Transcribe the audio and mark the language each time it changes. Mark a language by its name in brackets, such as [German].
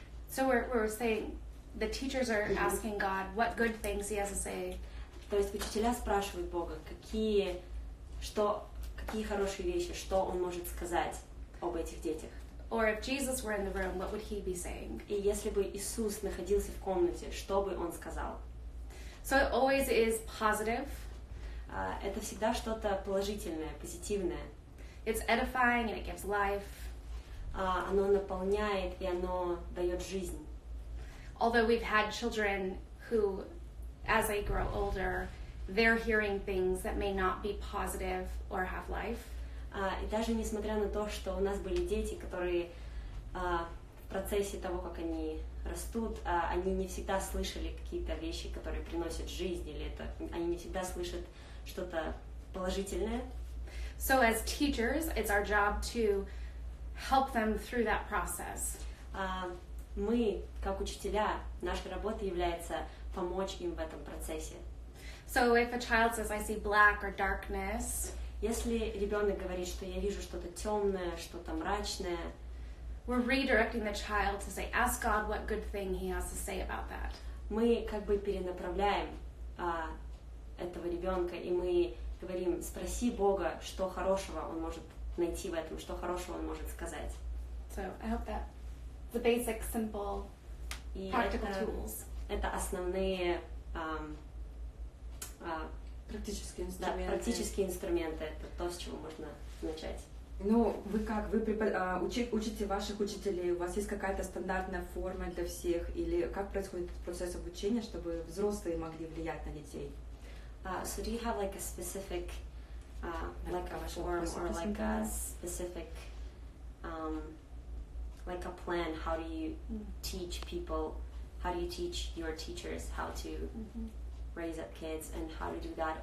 [English] So we're saying the teachers are asking God what good things he has to say. [Russian] То есть учителя спрашивают Бога, какие хорошие вещи, что он может сказать об этих детях. [English] Or if Jesus were in the room, what would he be saying? [Russian] И если бы Иисус находился в комнате, что бы он сказал? [English] So it always is positive. [Russian] Это всегда что-то положительное, позитивное. [English] It's edifying and it gives life. [Russian] Оно наполняет и оно дает жизнь. [English] Although we've had children who, as they grow older, they're hearing things that may not be positive or have life. [Russian] И даже несмотря на то, что у нас были дети, которые в процессе того, как они растут, они не всегда слышали какие-то вещи, которые приносят жизнь, или это они не всегда слышат что-то положительное. [English] So as teachers, it's our job to help them through that process. [Russian] Мы, как учителя, наша работа является помочь им в этом процессе. [English] So if a child says, I see black or darkness, [Russian] если ребенок говорит, что я вижу что-то темное, что-то мрачное, [English] we're redirecting the child to say, ask God what good thing he has to say about that. [Russian] Мы как бы перенаправляем этого ребенка, и мы говорим, спроси Бога, что хорошего он может найти в этом, что хорошего он может сказать. [English] So, I hope that the basic, simple, practical tools. [Russian] Это основные практические инструменты. Да, практические инструменты, это то, с чего можно начать. Ну, вы как, вы учите ваших учителей, у вас есть какая-то стандартная форма для всех, или как происходит этот процесс обучения, чтобы взрослые могли влиять на детей? [English] So do you have like a specific, like a plan? How do you teach people? How do you teach your teachers how to raise up kids and how to do that?